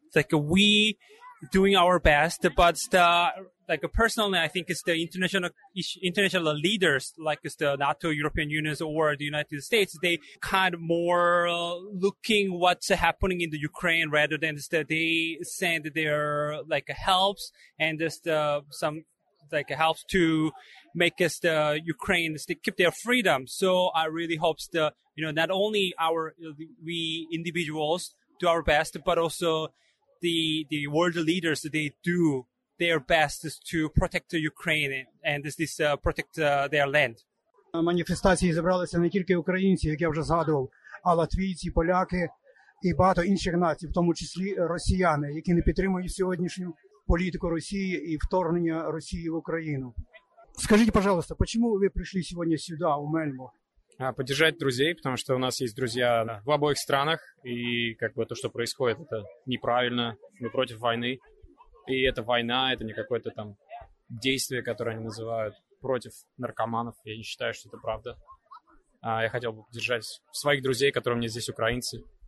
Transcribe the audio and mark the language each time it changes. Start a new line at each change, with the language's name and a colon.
English: Like we doing our best, but like personally, I think it's the international leaders, like it's the NATO, European Union, or the United States, they kind of more looking what's happening in the Ukraine rather than they send their like helps and some like helps to make us the Ukraine keep their freedom. So I really hope not only we individuals do our best, but also the world leaders, they do their best is to protect Ukraine and protect their land.
Ukrainian: На маніфестації зібралися не тільки українці, як я вже згадував, а латвійці, поляки і багато інших націй, в тому числі росіяни, які не підтримують сьогоднішню політику Росії і вторгнення Росії в Україну. Скажіть, пожалуйста, чому ви прийшли сьогодні сюди, у Мельбо?
Russian: Поддержать друзей, потому что у нас есть друзья в обоих странах, и как бы то, что происходит, это неправильно. Мы против войны. И эта война, это не какое-то там действие, которое они называют против наркоманов. Я не считаю, что это правда. Я хотел бы поддержать своих друзей, которые у меня здесь украинцы.